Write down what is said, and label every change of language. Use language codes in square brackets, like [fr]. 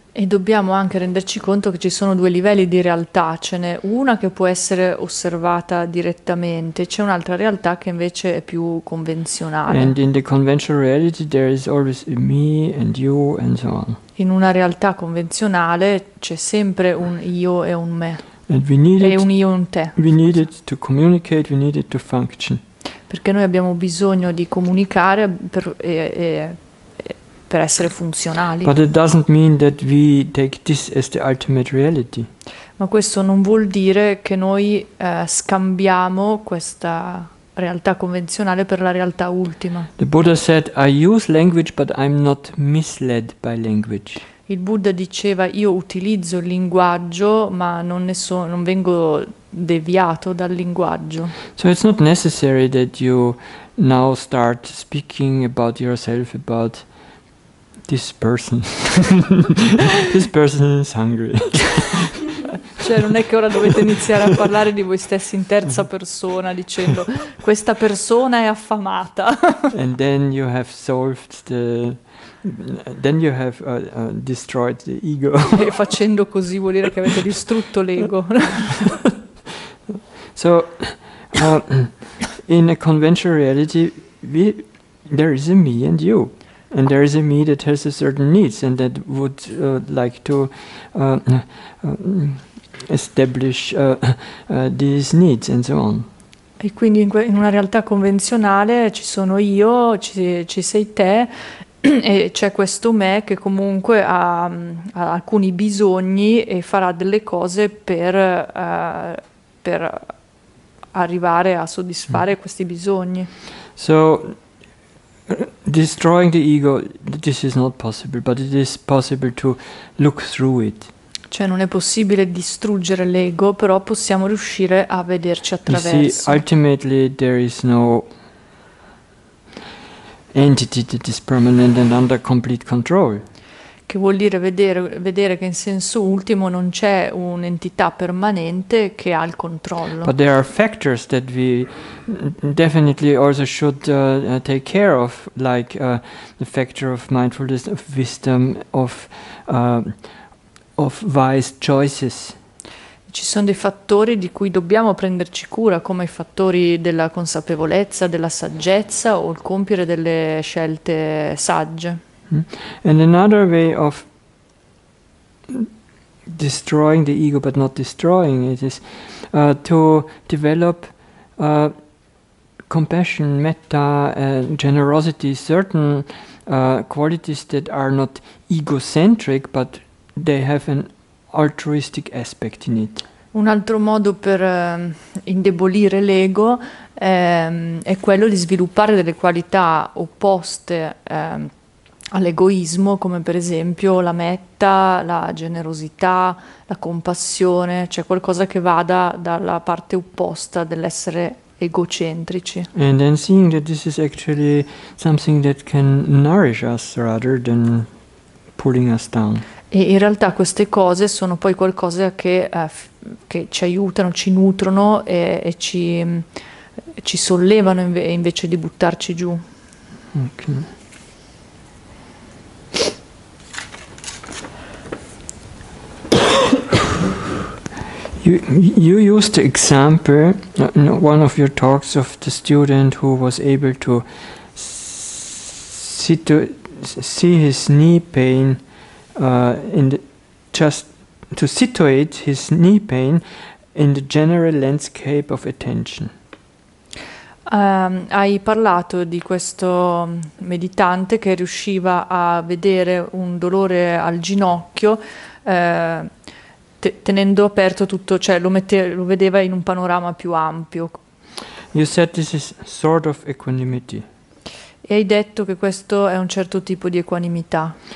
[it] E dobbiamo anche renderci conto che ci sono due livelli di realtà, ce n'è una che può essere osservata direttamente, c'è un'altra realtà che invece è più convenzionale. [en] And in the conventional reality there is always me and you and so on. [it] In una realtà convenzionale c'è sempre un io e un me. [en] And we need [it] e [en] it, [it] un io e un te. [en] We need it to communicate, we need it to function. [it] Perché noi abbiamo bisogno di comunicare per essere funzionali. [en] But it doesn't mean that we take this as the ultimate reality. [it] Ma questo non vuol dire che noi scambiamo questa realtà convenzionale per la realtà ultima. [en] The Buddha said, I use language but I'm not misled by language. [it] Il Buddha diceva, io utilizzo il linguaggio ma non vengo deviato dal linguaggio. [en] So it's not necessary that you now start speaking about yourself, about this person. This person is hungry. [it] Cioè non è che ora dovete iniziare a parlare di voi stessi in terza persona dicendo questa persona è affamata. [en] And then you have solved the then you have destroyed the ego. [it] E facendo così vuol dire che avete distrutto l'ego. [en] So in a conventional reality there is a me and you. And there is a me that has a certain needs and that would like to establish these needs and so on. [it] E quindi in una realtà convenzionale ci sono io, ci sei te e c'è questo me che comunque ha alcuni bisogni e farà delle cose per arrivare a soddisfare questi bisogni. [en] So destroying the ego, this is not possible, but it is possible to look through it. [it] Cioè non è possibile distruggere l'ego, però possiamo riuscire a vederci attraverso. [en] You see, ultimately there is no entity that is permanent and under complete control. [it] Che vuol dire vedere che in senso ultimo non c'è un'entità permanente che ha il controllo. [en] But there are factors that we definitely also should take care of, like the factor of mindfulness, of wisdom, of wise choices. [it] Ci sono dei fattori di cui dobbiamo prenderci cura, come i fattori della consapevolezza, della saggezza o il compiere delle scelte sagge. [en] And another way of destroying the ego but not destroying it is to develop compassion, metta, generosity, certain qualities that are not egocentric but they have an altruistic aspect in it. [it] Un altro modo per indebolire l'ego è quello di sviluppare delle qualità opposte all'egoismo, come per esempio la metta, la generosità, la compassione, cioè qualcosa che vada dalla parte opposta dell'essere egocentrici. [en] And then seeing that this is actually something that can nourish us rather than pulling us down. [it] E in realtà queste cose sono poi qualcosa che che ci aiutano, ci nutrono e ci sollevano invece di buttarci giù. [en] You used the example in one of your talks of the student who was able to see his knee pain to situate his knee pain in the general landscape of attention. [it] Hai parlato di questo meditante che riusciva a vedere un dolore al ginocchio tenendo aperto tutto, cioè lo vedeva in un panorama più ampio. [en] You said this is sort of equanimity. [it] E hai detto che questo è un certo tipo di equanimità.